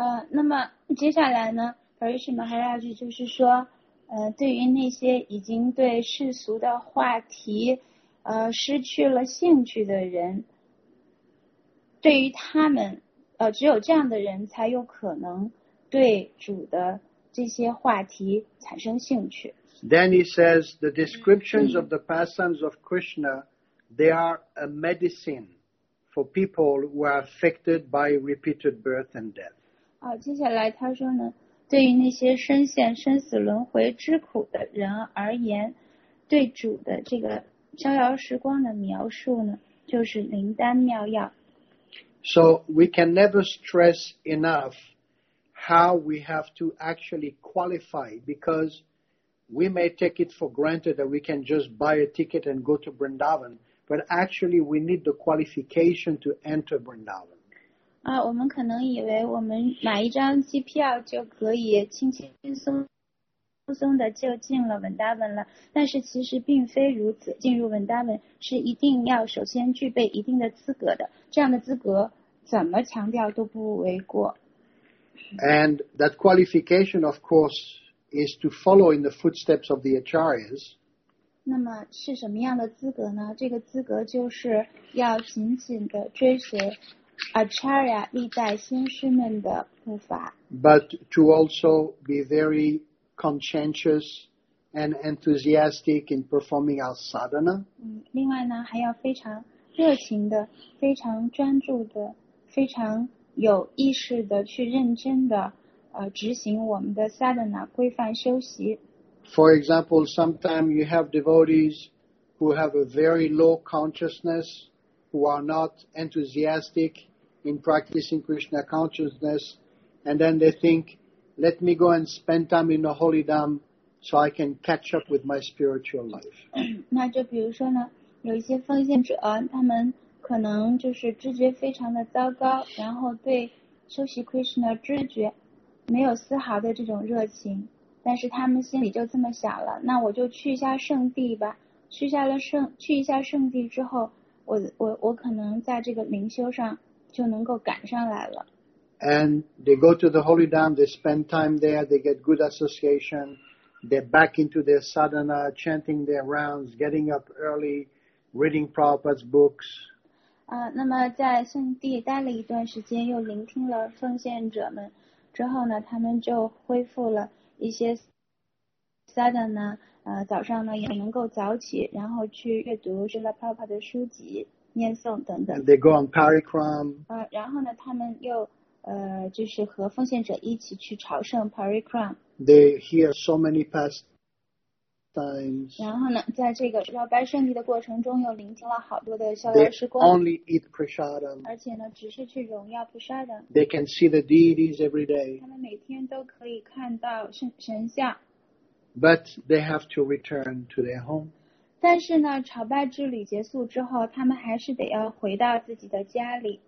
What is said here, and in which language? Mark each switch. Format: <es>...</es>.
<zh>那么接下来呢Parikshit Maharaj就是说对于那些已经对世俗的话题失去了兴趣的人，对于他们只有这样的人才有可能对主的这些话题产生兴趣。</zh> <en>Then he says the descriptions of the pastimes of Krishna, they are a medicine for people who are affected by repeated birth and death.</en> <zh>接下来他说呢，对于那些深陷生死轮回之苦的人而言，对主的这个逍遥时光的描述呢，就是灵丹妙药。</zh> <en>So we can never stress enough how we have to actually qualify, because we may take it for granted that we can just buy a ticket and go to Vrindavan, but actually we need the qualification to enter Vrindavan.</en> <zh>我们可能以为我们买一张机票就可以轻轻松松的就进了文达文了，但是其实并非如此。进入文达文是一定要首先具备一定的资格的，这样的资格怎么强调都不为过。</zh> <en>And that qualification of course is to follow in the footsteps of the acharyas.</en> <zh>那么是什么样的资格呢？这个资格就是要紧紧的追随Acharya 历代先师们的步伐。</zh> <en>But to also be very conscientious and enthusiastic in performing our sadhana.</en> <zh>另外呢，还要非常热情的、非常专注的、非常有意识的去认真的执行我们的 sadhana 规范修习。</zh> <en>For example, sometimes you have devotees who have a very low consciousness. Who are not enthusiastic in practicing Krishna consciousness, and then they think, let me go and spend time in the holy dham so I can catch up with my spiritual life.</en> <zh>那就比如说呢，有一些奉献者，他们可能就是知觉非常的糟糕，然后对修习 Krishna 知觉没有丝毫的这种热情，但是他们心里就这么想了，那我就去一下圣地吧。去一下圣地之后，我可能在这个灵修上就能够赶上来了。</zh> <en>And they go to the holy dham, they spend time there, they get good association, they're back into their sadhana, chanting their rounds, getting up early, reading Prabhupada's books.</en> <zh>那么在圣地待了一段时间，又聆听了奉献者们之后呢，他们就恢复了一些sadhana。早上呢也能够早起，然后去阅读这个Prabhupada的书籍、念诵等等。</zh> <en>And they go on parikram.</en> <zh>然后呢，他们又就是和奉献者一起去朝圣 parikram.</zh> <en>They hear so many pastimes.</en> <zh>然后呢，在这个绕拜圣地的过程中，又聆听了好多的逍遥时光。</zh> <en>They only eat prasadam.</en> <zh>而且呢，只是去荣耀 prasadam.</zh> <en>They can see the deities every day.</en> <zh>他们每天都可以看到神像。</zh> <en>But they have to return to their home.</en> <zh>但是呢，朝拜之旅结束之后，他们还是得要回到自己的家里。</zh>